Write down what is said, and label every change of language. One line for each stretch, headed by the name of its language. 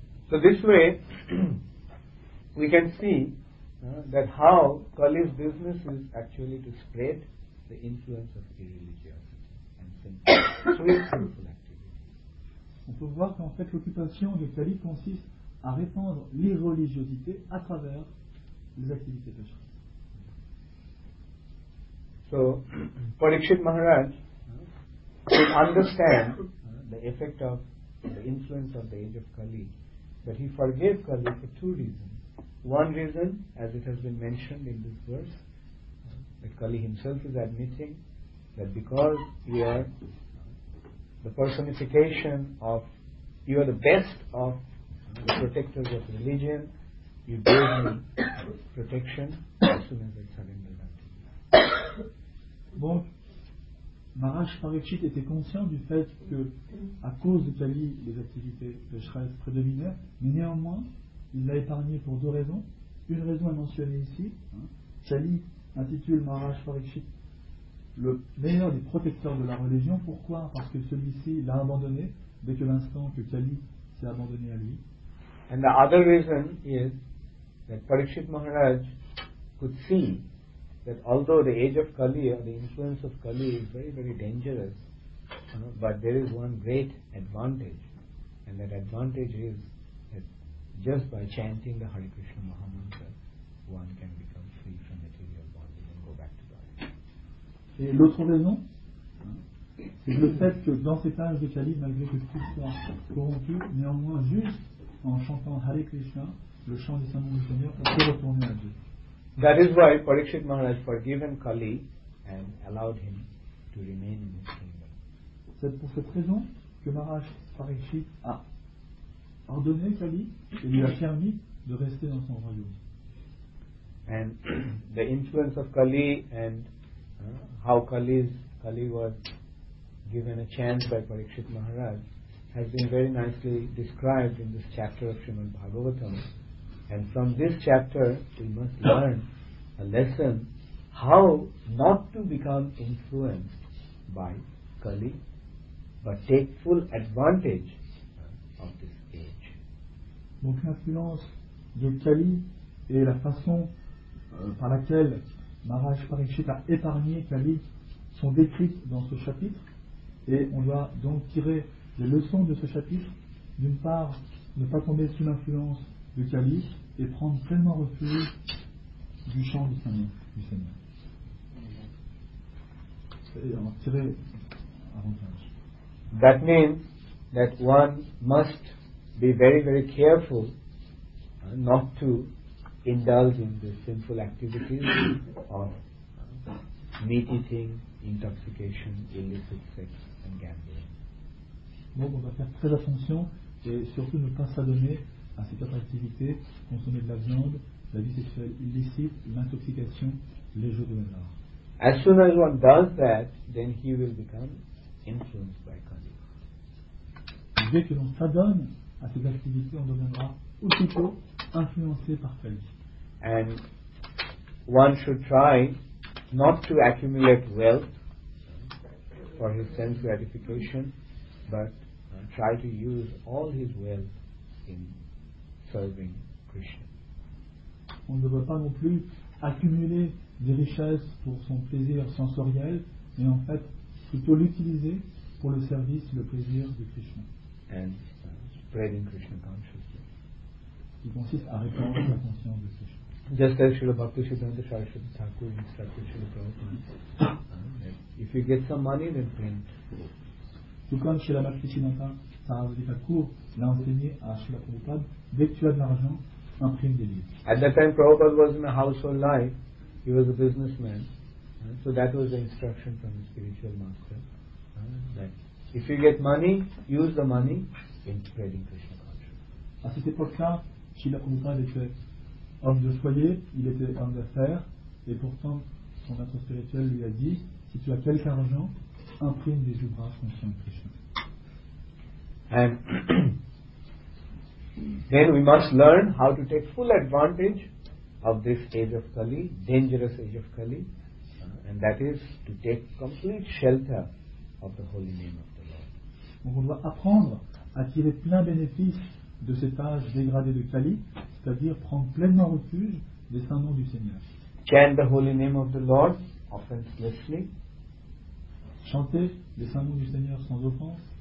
English: So this way, we can see that how Kali's business is actually to spread the influence of irreligiosity and sinful activity.
French: On peut voir qu'en fait l'occupation de Kali consiste à répandre l'irreligiosité à travers les activités pécheresses.
English: So, Parikshit Maharaj could understand the effect of the influence of the age of Kali, but he forgave Kali for two reasons. One reason, as it has been mentioned in this verse, that Kali himself is admitting that because you are the personification of, you are the best of the protectors of religion, you gave me protection as soon as I surrendered unto you.
French: Bon, Maharaj Parikshit était conscient du fait que, à cause de Kali, les activités pécheresses prédominaient, mais néanmoins, il l'a épargné pour deux raisons. Une raison est mentionnée ici. Kali intitule Maharaj Parikshit le meilleur des protecteurs de la religion. Pourquoi? Parce que celui-ci l'a abandonné dès que l'instant que Kali s'est abandonné à lui.
English: And the other reason is that Parikshit Maharaj could see that although the age of Kali or the influence of Kali is very, very dangerous, but there is one great advantage, and that advantage is just by chanting the Hare Krishna Maha Mantra, one can become free from material body and go back to God.
French: Et l'autre raison, c'est le fait que dans cet âge de Kali, malgré que tout soit corrompu, néanmoins, juste en chantant Hare Krishna, le chant du Saint-Nom du Seigneur, on peut retourner à Dieu.
English: That is why Parikshit Maharaj forgiven Kali and allowed him to remain in his kingdom.
French: C'est pour cette raison que Maharaj Parikshit a ordonné Kali et lui a permis de rester dans son royaume.
English: And the influence of Kali and how Kali was given a chance by Parikshit Maharaj has been very nicely described in this chapter of Srimad Bhagavatam, And from this chapter, we must learn a lesson how not to become influenced by Kali, but take full advantage of this age.
French: Donc l'influence de Kali et la façon par laquelle Maharaj Parikshit a épargné Kali sont décrites dans ce chapitre, et on doit donc tirer les leçons de ce chapitre. D'une part, ne pas tomber sous l'influence de Kali et prendre pleinement refuge du chant du Seigneur. Et en tirer avantage.
English: That means that one must be very, very careful not to indulge in the sinful activities of meat eating, intoxication, illicit sex, and gambling.
French: Donc, on va faire très attention et surtout ne pas s'adonner à ces quatre activités, consommer de la viande, la vie sexuelle illicite, l'intoxication, les jeux de hasard.
English: As soon as one does that, then he will become influenced by Kali.
French: Dès que l'on s'adonne à ces activités, on deviendra aussitôt influencé par Kali.
English: And one should try not to accumulate wealth for his sense gratification, but try to use all his wealth in serving Krishna.
French: On ne doit pas non plus accumuler des richesses pour son plaisir sensoriel, mais en fait plutôt l'utiliser pour le service, le plaisir de Krishna.
English: And spreading Krishna consciousness.
French: Qui consiste à répandre la conscience de Krishna.
English: Just as Srila Bhaktisiddhanta Saraswati Thakur instructed Srila Prabhupada, if you get some money, then print.
French: Tout comme Srila Bhaktisiddhanta Saraswati Thakur l'a enseigné à Srila Prabhupada, dès que tu as de l'argent, imprime des livres.
English: At that time, Prabhupada was in a household life. He was a businessman. So that was the instruction from the spiritual master. That if you get money, use the money in spreading Krishna consciousness.
French: À cette époque-là, Srila Prabhupada était homme de foyer, il était homme d'affaires, et pourtant son maître spirituel lui a dit, si tu as quelque argent, imprime des ouvrages conscients de Krishna.
English: And then we must learn how to take full advantage of this age of Kali, dangerous age of Kali, and that is to take complete shelter of the holy name of the Lord.
French: Donc on doit apprendre à tirer plein bénéfice de cet âge dégradé de Kali, c'est-à-dire prendre pleinement refuge des saints noms du Seigneur.
English: Chant the holy name of the Lord offenselessly.
French: Chanter les saints noms du Seigneur sans offense.